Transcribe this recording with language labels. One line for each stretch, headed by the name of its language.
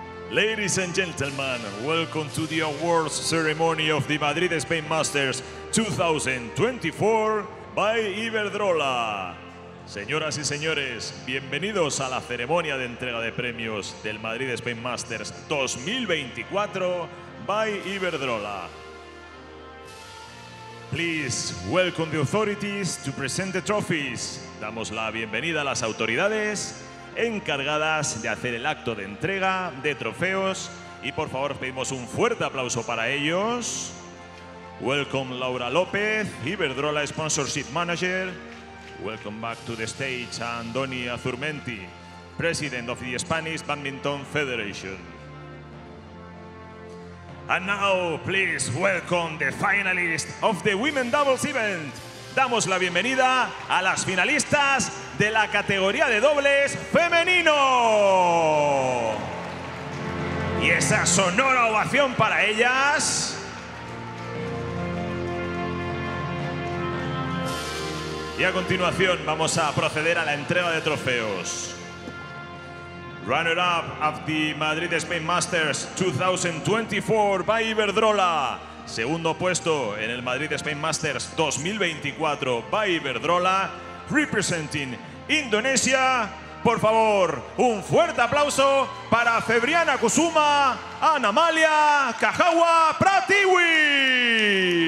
English: Ladies and gentlemen, welcome to the awards ceremony of the Madrid Spain Masters 2024 by Iberdrola.
Spanish: Señoras y señores, bienvenidos a la ceremonia de entrega de premios del Madrid Spain Masters 2024 by Iberdrola.
English: Please welcome the authorities to present the trophies.
Spanish: Damos la bienvenida a las autoridades encargadas de hacer el acto de entrega de trofeos. Y por favor, pedimos un fuerte aplauso para ellos.
English: Welcome Laura López, Iberdrola Sponsorship Manager. Welcome back to the stage Andoni Azurmenti, President of the Spanish Badminton Federation. And now, please welcome the finalists of the Women Doubles Event.
Spanish: Damos la bienvenida a las finalistas de la categoría de dobles femenino. Y esa sonora ovación para ellas. Y a continuación vamos a proceder a la entrega de trofeos.
English: Runner-up of the Madrid Spain Masters 2024 by Iberdrola.
Spanish: Segundo puesto en el Madrid Spain Masters 2024 by Iberdrola,
English: representing Indonesia.
Spanish: Por favor, un fuerte aplauso para Febriana Kusuma, Ana Malia, Kajawa, Pratiwi.